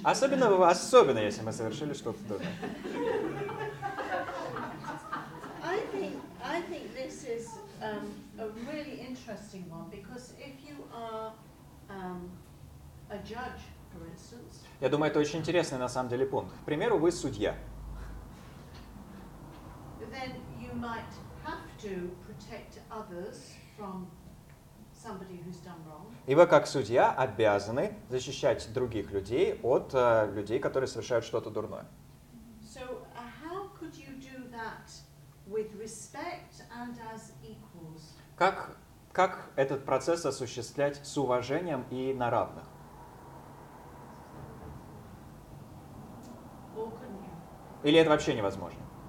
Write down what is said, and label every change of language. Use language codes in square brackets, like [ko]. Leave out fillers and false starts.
[ru] Особенно, если мы совершили что-то дурное. [en] I think this is a really interesting one, because if you are a judge, for instance. [ru] Я думаю, это очень интересный на самом деле пункт. К примеру, вы судья. [en] Then you might have to protect others from somebody who's done wrong. [ru] И вы, как судья, обязаны защищать других людей от людей, которые совершают что-то дурное. [en] So, how could you do that with respect and as equals? [ru] Как этот процесс осуществлять с уважением и на равных? [en] Or couldn't you? [ru] Или это вообще невозможно?